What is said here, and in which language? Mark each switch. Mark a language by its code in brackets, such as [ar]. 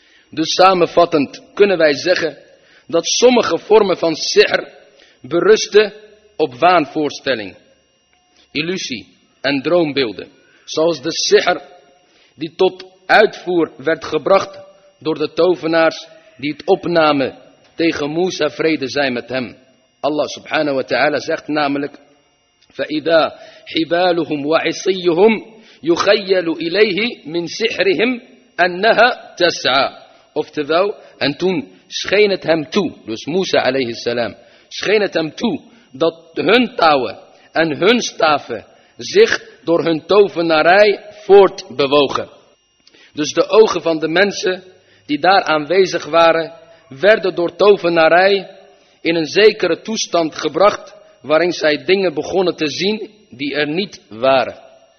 [nl] Dus samenvattend kunnen wij zeggen dat sommige vormen van sihr berusten op waanvoorstelling, illusie en droombeelden, zoals de sihr die tot uitvoer werd gebracht door de tovenaars die het opnamen tegen Musa, vrede zij met hem. Allah subhanahu wa ta'ala zegt namelijk, [ar] فَإِذَا حِبَالُهُمْ وَعِصِيُّهُمْ يُخَيَّلُ إِلَيْهِ مِنْ سِحْرِهِمْ أَنَّهَا تَسْعَى. [nl] Oftewel, en toen scheen het hem toe, dus Musa alayhi salam, scheen het hem toe dat hun touwen en hun staven zich door hun tovenarij voortbewogen. Dus de ogen van de mensen die daar aanwezig waren, werden door tovenarij in een zekere toestand gebracht, waarin zij dingen begonnen te zien die er niet waren.